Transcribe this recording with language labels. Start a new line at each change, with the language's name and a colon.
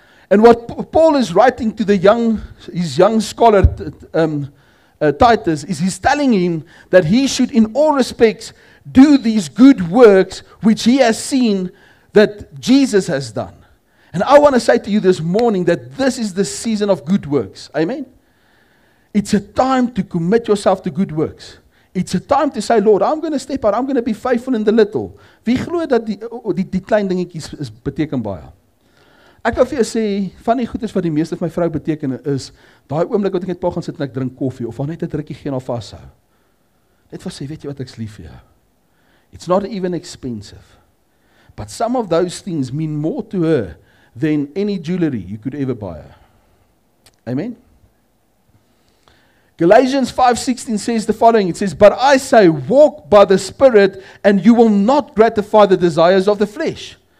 English: And what Paul is writing to his young scholar, Titus, is he's telling him that he should in all respects do these good works which he has seen that Jesus has done. And I want to say to you this morning that this is the season of good works. Amen? It's a time to commit yourself to good works. It's a time to say, Lord, I'm going to step out. I'm going to be faithful in the little.
Afrikaans: Wie glo dat die klein dingetjies is beteken baie? Ek wil vir jou sê, van die goeders wat die meeste van my vrou beteken is, daai oomblik wat ek net pa gaan sit en ek drink koffie, of al net 'n drukkie gee en al vashou. Net vir sê, weet jy wat, ek's lief vir jou.
English: It's not even expensive. But some of those things mean more to her than any jewelry you could ever buy her. Amen? Galatians 5:16 says the following. It says, but I say, walk by the Spirit, and you will not gratify the desires of the flesh.